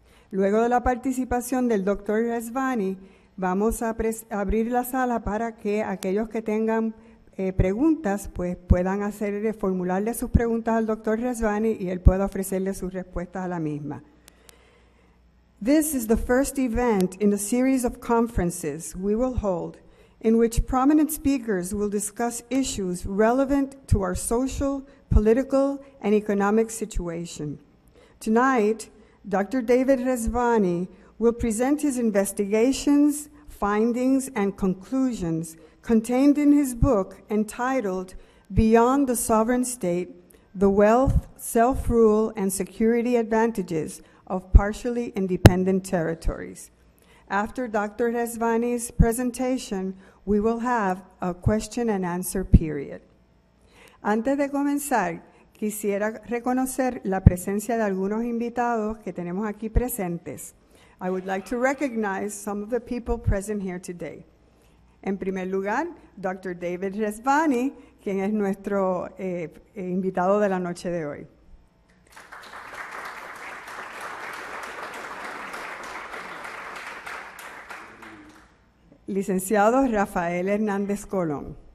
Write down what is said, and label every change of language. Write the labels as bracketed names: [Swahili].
[Spanish] Luego de la participación del Dr. Rezvani, vamos a abrir la sala para que aquellos que tengan preguntas pues puedan formularle sus preguntas al Dr. Rezvani y él pueda ofrecerle sus respuestas a la misma. [English] This is the first event in a series of conferences we will hold in which prominent speakers will discuss issues relevant to our social, political, and economic situation. Tonight, Dr. David Rezvani will present his investigations, findings, and conclusions contained in his book entitled Beyond the Sovereign State, The Wealth, Self-Rule, and Security Advantages of Partially Independent Territories. After Dr. Rezvani's presentation, we will have a question and answer period. [Spanish] Antes de comenzar, quisiera reconocer la presencia de algunos invitados que tenemos aquí presentes. [English] I would like to recognize some of the people present here today. [Spanish] En primer lugar, Dr. David Rezvani, quien es nuestro invitado de la noche de hoy. Licenciado Rafael Hernández Colón.